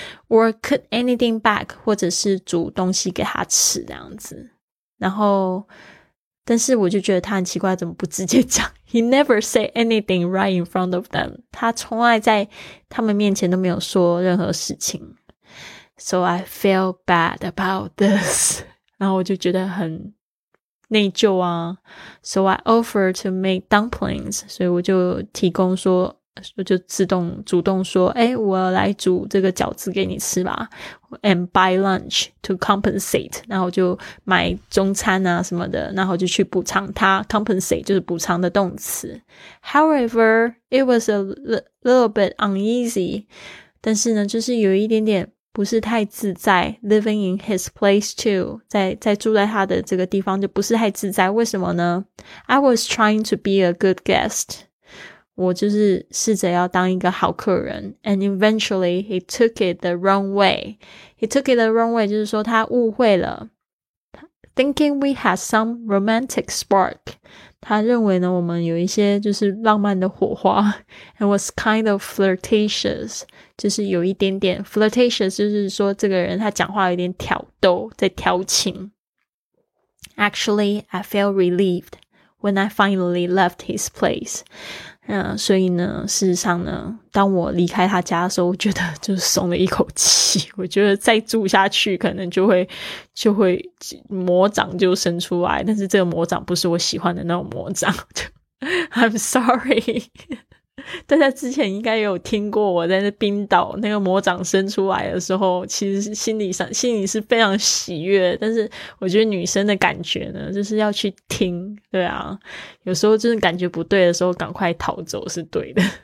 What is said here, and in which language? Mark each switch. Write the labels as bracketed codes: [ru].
[en] Or cut anything back， [zh] 或者是煮东西给他吃这样子。然后，但是我就觉得他很奇怪，怎么不直接讲 ？ [en] He never say anything right in front of them， [zh] 他从来在他们面前都没有说任何事情。 [en] So I feel bad about this， [zh] 然后我就觉得很内疚啊。 [en] So I offer to make dumplings， [zh] 所以我就提供说，我就自动主动说，诶，我来煮这个饺子给你吃吧， [en] and buy lunch to compensate， [zh] 然后就买中餐啊什么的，然后就去补偿它， compensate 就是补偿的动词。 [en] However, it was a little bit uneasy， [zh] 但是呢就是有一点点不是太自在， [en] living in his place too， [zh] 在住在他的这个地方就不是太自在，为什么呢？ [en] I was trying to be a good guest， [zh] 我就是试着要当一个好客人， [en] and eventually he took it the wrong way， he took it the wrong way [zh] 就是说他误会了， [en] thinking we had some romantic spark， [zh] 他认为呢我们有一些就是浪漫的火花， [en] and was kind of flirtatious， [zh] 就是有一点点 [en] flirtatious， [zh] 就是说这个人他讲话有点挑逗，在调情。 [en] Actually, I felt relieved when I finally left his place， [zh] 所以呢，事实上呢，当我离开他家的时候，我觉得就是松了一口气。我觉得再住下去，可能就会魔掌就伸出来，但是这个魔掌不是我喜欢的那种魔掌。 [en] I'm sorry， [zh] 大家之前应该有听过我在那冰岛那个魔掌伸出来的时候，其实心里是非常喜悦，但是我觉得女生的感觉呢，就是要去听，对啊，有时候真的感觉不对的时候，赶快逃走是对的。